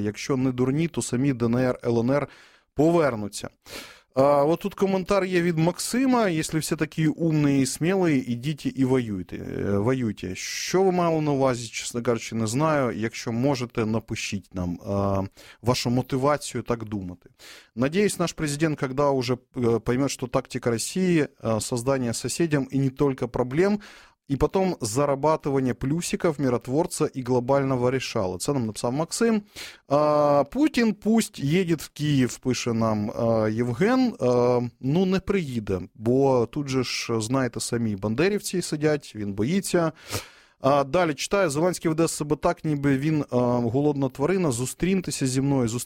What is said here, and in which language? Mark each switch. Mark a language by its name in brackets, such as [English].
[Ukrainian] Якщо не дурні, то самі ДНР, ЛНР повернуться. От тут коментар є від Максима. Якщо всі такі умні і смілі, ідіть і воюйте. Що ви мали на увазі, чесно кажучи, не знаю. Якщо можете, напишіть нам вашу мотивацію так думати. Надіюсь, [Russian] наш президент, когда уже поймет, что тактика России создание соседям и не только проблем, и потом зарабатывание плюсиков миротворца и глобального решала. [Ukrainian] Це нам написав Максим. Путін [Russian] пусть едет [Ukrainian] в Київ, пише нам Євген. Ну, не приїде, бо тут же ж, знаєте самі, бандерівці сидять, він боїться. Далі читаю, Зеленський веде себе так, ніби він голодна тварина, зустрінтеся зі мною.